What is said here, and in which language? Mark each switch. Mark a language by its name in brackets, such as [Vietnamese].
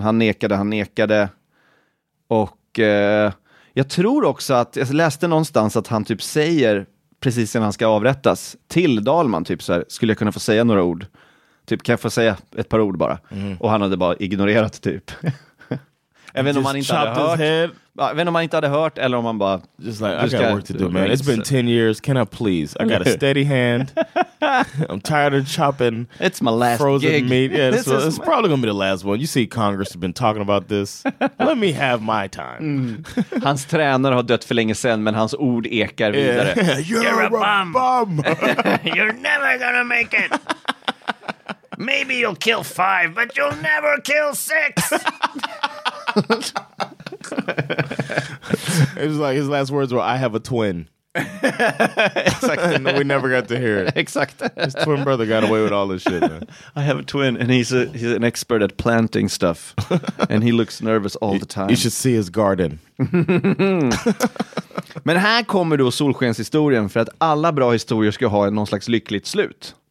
[Swedish] Han nekade. Och jag tror också att, jag läste någonstans att han typ säger precis när han ska avrättas till Dahlman, typ så här, skulle jag kunna få säga några ord typ, kan jag få säga ett par ord bara? Mm. Och han hade bara ignorerat typ. Även om man inte hade hört, eller om man bara [English] just like, I got work to do, man. It's been 10 years. Can I please? I got a steady hand. I'm tired of chopping. It's my last frozen gig. Meat. Yeah, it's probably gonna be the last one. You see, Congress has been talking about this. Let me have my time. [Swedish] Hans tränare har dött för länge sedan, men hans ord ekar vidare. [English] Yeah. You're a bum. Bum. You're never gonna make it. Maybe you'll kill 5, but you'll never kill 6. It was like his last words were, "I have a twin." Exactly. We never got to hear it. Exactly. His twin brother got away with all this shit, man. I have a twin, and he's an expert at planting stuff, and he looks nervous all the time. You should see his garden. [Swedish] Men här kommer då solskenshistorien, för att alla bra historier ska ha någon slags lyckligt slut,